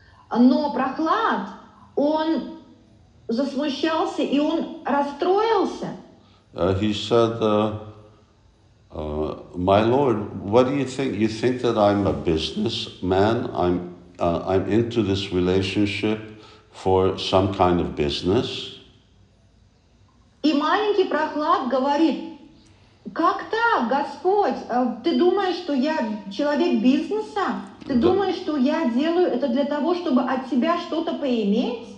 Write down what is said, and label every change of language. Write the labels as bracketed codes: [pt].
[ru] Но Прохлад, он засмущался и он расстроился. [en] He said, "My lord, what do you think? You think that I'm a businessman? I'm into this relationship for some kind of business?" [ru] И маленький Прохлад говорит, как так, Господь, ты думаешь, что я человек бизнеса? Ты думаешь, что я делаю это для того, чтобы от тебя что-то поиметь?